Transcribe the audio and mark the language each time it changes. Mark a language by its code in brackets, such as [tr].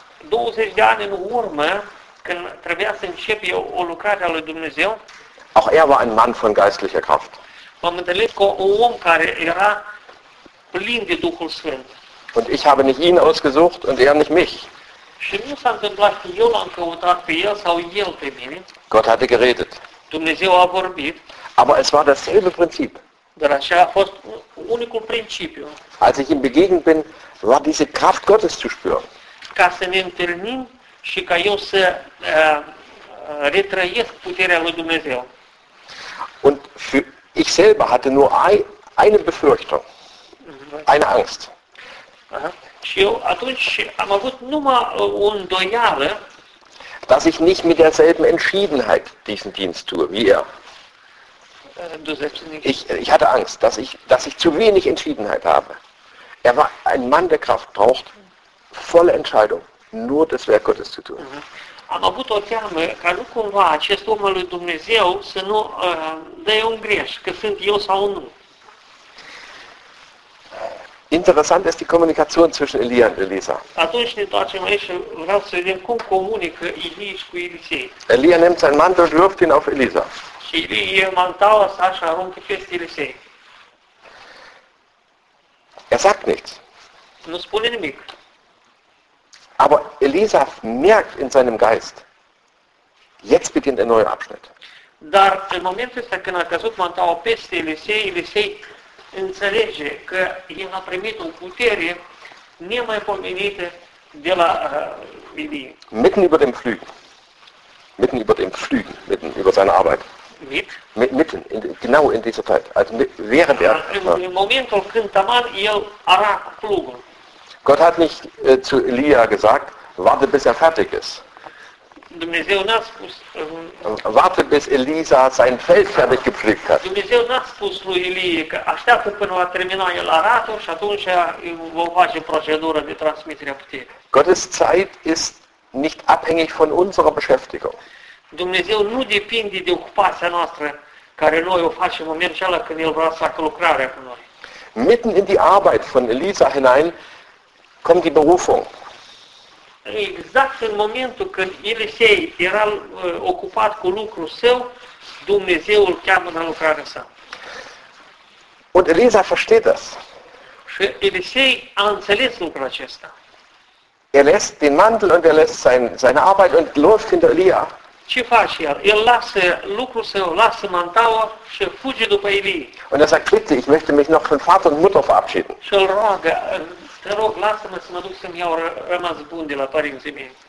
[ro] 20 [de] Jahre [ro] in urmă, când trebuia să încep eu o lucrare a lui Dumnezeu. [de] Auch er war ein Mann von geistlicher Kraft. [ro] M-am întâlnit cu un om care era plin de Duhul Sfânt. [de] Und ich habe nicht ihn ausgesucht und er nicht mich. [ro] Și nu s-a întâmplat că eu l-am căutat pe el sau el pe mine. [de] Gott hatte geredet. [ro] Dumnezeu a vorbit. [de] Aber es war dasselbe Prinzip. [ro] Dar așa a fost unicul principiu. [de] Als ich ihm begegnet bin, war diese Kraft Gottes zu spüren. [ro] Ca să ne întâlnim și ca eu să retrăiesc puterea lui Dumnezeu. [de] Und ich selber hatte nur eine Befürchtung. Eine Angst. Aha. [ro] Și eu atunci am avut numai o îndoială. [de] Dass ich nicht mit derselben Entschiedenheit diesen Dienst tue wie er. Du selbst nicht. Ich hatte Angst, dass ich zu wenig Entschiedenheit habe. Er war ein Mann der Kraft, braucht volle Entscheidung, nur das Werk Gottes zu tun. [ro] Am avut o teamă ca nu cumva acest om al lui Dumnezeu să nu dea un greș, că sunt eu sau nu. [de] Interessant ist die Kommunikation zwischen Elia und Elisa. [ro] Atunci ne întoarcem aici și vreau să vedem cum comunică Elie cu Elisei. [de] Elia nimmt seinen Mantel und wirft ihn auf Elisa. [ro] Și Elie ia mantaua sa și aruncă peste Elisei. [de] Er sagt nichts. [ro] Nu spune nimic. [de] Aber Elisa merkt in seinem Geist, jetzt beginnt ein neuer Abschnitt. [ro] Dar în momentul ăsta când a căzut mantaua peste Elisei, Elisei înțelege că el a primit o putere nemaipomenită de la Elie. [de] Mitten über dem Flügen. Mitten über dem Flügen. Mitten über seine Arbeit. Mitten. Genau in dieser Zeit. Also während er. [ro] În momentul când taman el arac plugul. [de] Gott hat nicht zu Elia gesagt, warte bis er fertig ist. [ro] Dumnezeu n-a spus. [de] Warte bis Elisa sein Feld fertig gepflegt hat. [ro] Dumnezeu n-a spus lui Elie că așteaptă până va termina el aratul și atunci va face procedura de transmitere a puterii. [de] Gottes Zeit ist nicht abhängig von unserer Beschäftigung. [ro] Dumnezeu nu depinde de ocupația noastră care noi o facem în momentul acela când el vrea să facă lucrarea cu noi. [de] Mitten in die Arbeit von Elisa hinein kommt die Berufung. [ro] Exact în momentul când Elisei era ocupat cu lucrul său, Dumnezeu îl cheamă la lucrarea sa. [de] Und Elisa versteht das. [ro] Și Elisei a înțeles lucrul acesta. [de] Er lässt den Mantel und er lässt seine Arbeit und läuft hinter Elia. [ro] Ce face el? El lasă lucrul său, lasă mantaua și fuge după Elie. [de] Und er sagt, bitte, ich möchte mich noch von Vater und Mutter verabschieden. [ro] Și îl roagă, te rog, lasă-mă să mă duc să-mi iau rămas bun de la părinții mei.